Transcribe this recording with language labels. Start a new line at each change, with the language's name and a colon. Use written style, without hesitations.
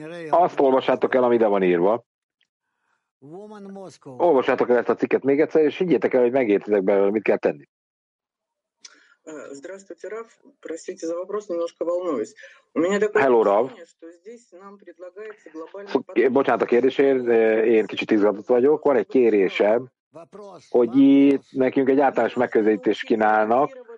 Hungarian: Azt olvassátok el, ami ide van írva. Olvassátok el ezt a cikket még egyszer, és higgyétek el, hogy megértitek belőle, mit kell tenni.
Russian: Здравствуйте, Раф. Простите за вопрос, немножко волнуюсь. У меня такое ощущение, что здесь нам предлагается глобальный подход.
Hungarian: Bocsánat a kérdésért, én kicsit izgatott vagyok. Van egy kérésem, hogy itt nekünk egy általános megközelítést kínálnak.